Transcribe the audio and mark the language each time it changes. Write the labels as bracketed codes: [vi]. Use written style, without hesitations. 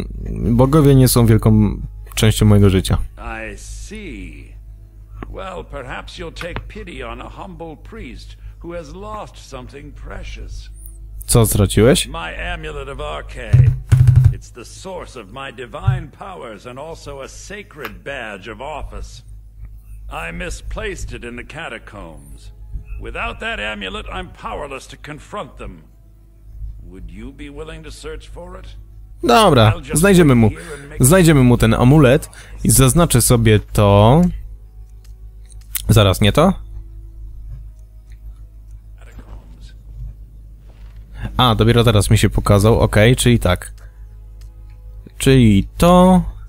[pl] Bogowie nie są wielką częścią mojego życia. [en] I see. Well, perhaps you'll take pity on a humble priest who has lost something precious. [pl] Co straciłeś? [en] My amulet of RK. It's the source of my divine powers and also a sacred badge of office. I misplaced it in the catacombs. Without that amulet, I'm powerless to confront them. Would you be willing to search for it? [pl] Dobra, znajdziemy mu ten amulet i zaznaczę sobie to. Zaraz, nie to? A, dopiero teraz mi się pokazał, okej, czyli tak. Czyli to...